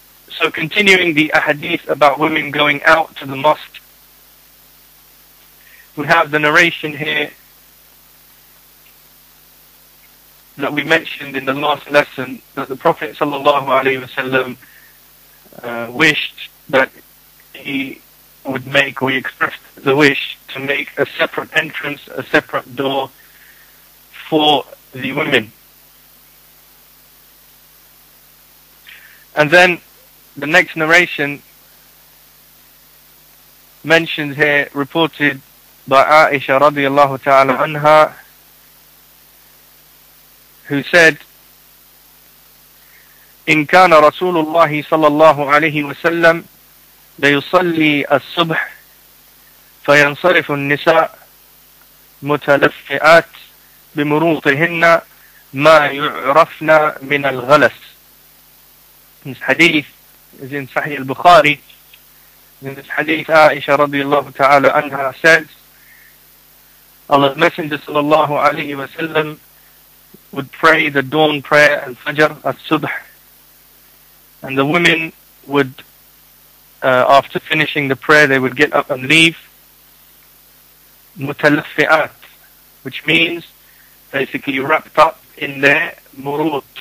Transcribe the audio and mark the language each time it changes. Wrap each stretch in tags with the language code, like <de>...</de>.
<en>So continuing the ahadith about women going out to the mosque, we have the narration here that we mentioned in the last lesson, that the Prophet sallallahu alaihi wasallam wished that he would make, or he expressed the wish to make a separate entrance, a separate door for the women. And then the next narration mentions here, reported by Aisha radiallahu ta'ala anha, who said,</en> <ar>إِنْ كَانَ رَسُولُ اللَّهِ صَلَى اللَّهُ عَلَيْهِ وَسَلَّمْ لَيُصَلِّي الصُّبْحِ فَيَنْصَرِفُ النِّسَاءُ مُتَلَفِّئَاتْ بِمُرُوطِهِنَّ مَا يُعْرَفْنَا مِنَ الْغَلَسِ.</ar> <en>This hadith is in Sahih al-Bukhari. In this hadith, Aisha radiallahu ta'ala anha says, Allah's Messenger sallallahu alayhi wa sallam would pray the dawn prayer, al-fajr, al-subh, and the women would, after finishing the prayer, they would get up and leave, mutalaffi'at, which means basically wrapped up in their murut.</en>